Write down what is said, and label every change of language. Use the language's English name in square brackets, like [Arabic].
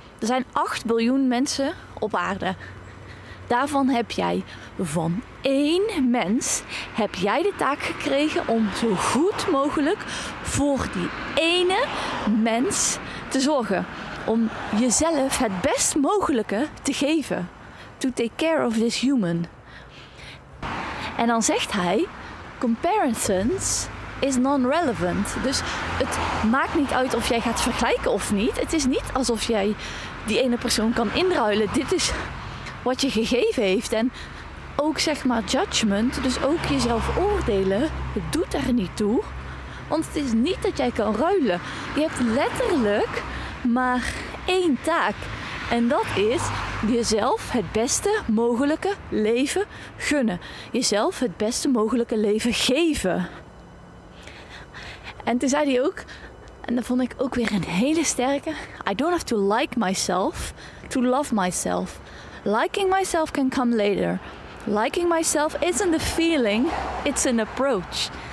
[Dutch] Er zijn 8 biljoen mensen op aarde. Daarvan heb jij van 1 mens, heb jij de taak gekregen om zo goed mogelijk voor die ene mens te zorgen. Om jezelf het best mogelijke te geven. [English] To take care of this human. [Dutch] En dan zegt hij, [English] comparisons is non-relevant. [Dutch] Dus het maakt niet uit of jij gaat vergelijken of niet. Het is niet alsof jij die ene persoon kan inruilen. Dit is wat je gegeven heeft. En ook zeg maar judgment, dus ook jezelf oordelen, het doet er niet toe. Want het is niet dat jij kan ruilen. Je hebt letterlijk maar één taak. En dat is jezelf het beste mogelijke leven gunnen. Jezelf het beste mogelijke leven geven. En toen zei hij ook, en dat vond ik ook weer een hele sterke, [English] I don't have to like myself to love myself. Liking myself can come later. Liking myself isn't a feeling, it's an approach.